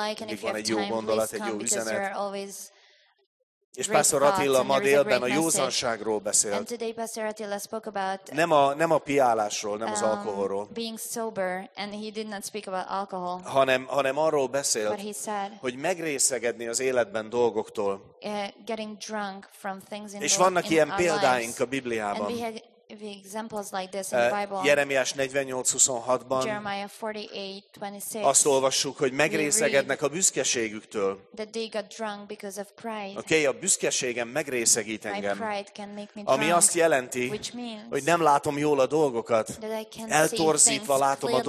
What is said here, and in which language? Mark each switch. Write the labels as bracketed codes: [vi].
[hu] Mindig van egy jó gondolat, egy jó üzenet. És Pásztor Attila ma délben a józanságról beszélt. [en] And today Pastor Attila spoke about [hu] nem a piálásról, nem az alkoholról. [en] Being sober, and he did not speak about alcohol. [hu] Hanem arról beszélt, [en] but he said, [hu] hogy megrészegedni az életben dolgoktól. [en] Getting drunk from things in [hu] és vannak ilyen példáink a Bibliában. [en] And we have examples like this in the Bible. [hu] Jeremiás 48:26-ban. [en] Jeremiah 48:26. [hu] Azt olvassuk, hogy megrészegednek a büszkeségüktől. [en] That they got drunk because of pride. [hu] Okay, a büszkeségem megrészegít engem. [en] My pride can make me drunk, [hu] ami azt jelenti, [en] which means, [hu] hogy nem látom jól a dolgokat. [en] That I can't [hu] eltorzítva [en] see [hu] látom [en] clearly